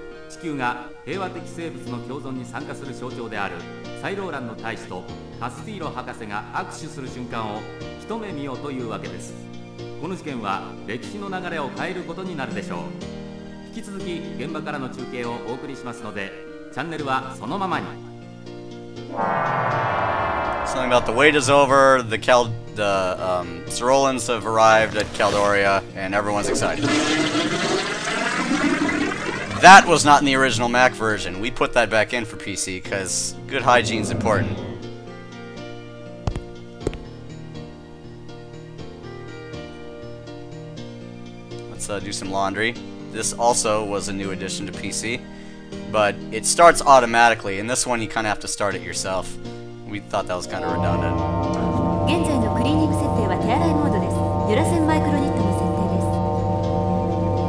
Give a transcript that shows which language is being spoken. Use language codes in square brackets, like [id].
[ja] 地球が平和的生物の共存に参加する象徴であるサイローランの大使とカスティーロ博士が握手する瞬間を一目見ようというわけです。この事件は歴史の流れを変えることになるでしょう。引き続き現場からの中継をお送りしますので、チャンネルはそのままに。 [en] Something about the wait is over. The Sirolans have arrived at Caldoria, and everyone's excited. That was not in the original Mac version. We put that back in for PC because good hygiene's important. Let's do some laundry. This also was a new addition to PC, but it starts automatically. In this one, you kind of have to start it yourself. We thought that was kind of redundant. [ja] 現在のクリーニング設定は手洗いモードです。ユラセンマイクロニットの設定です。